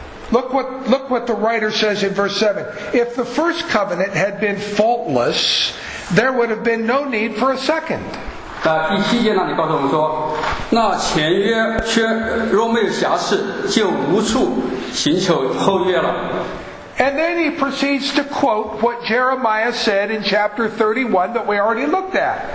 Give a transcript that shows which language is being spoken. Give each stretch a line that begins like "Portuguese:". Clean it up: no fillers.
English: Look what the writer says in verse 7. If the first covenant had been faultless, there would have been no need for a second.
Chinese: 第七节那里告诉我们说，那前约却若没有瑕疵，就无处寻求后约了。
English: And then he proceeds to quote what Jeremiah said in chapter 31 that we already looked at.